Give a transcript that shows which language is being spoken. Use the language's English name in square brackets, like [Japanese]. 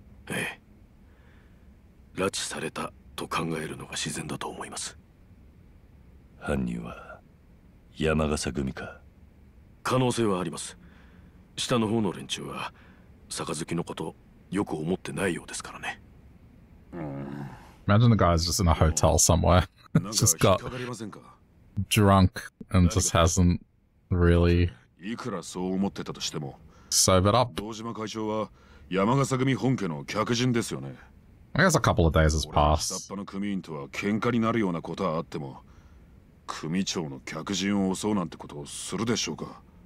[Japanese] ええ、拉致されたと考えるのが自然だと思います。犯人は山笠組か。可能性はあります。下の方の連中は杯のことよく思ってないようですからね。 [English] Imagine the guy's just in a hotel somewhere. Just got drunk and just hasn't really [Japanese] いくらそう思ってたとしても [English] sobered up. [Japanese] 堂島会長は山笠組本家の客人ですよね。 [English] I guess a couple of days has passed. [Japanese] 下っ端の組員とは喧嘩になるようなことはあっても、組長の客人を襲うなんてことをするでしょうか。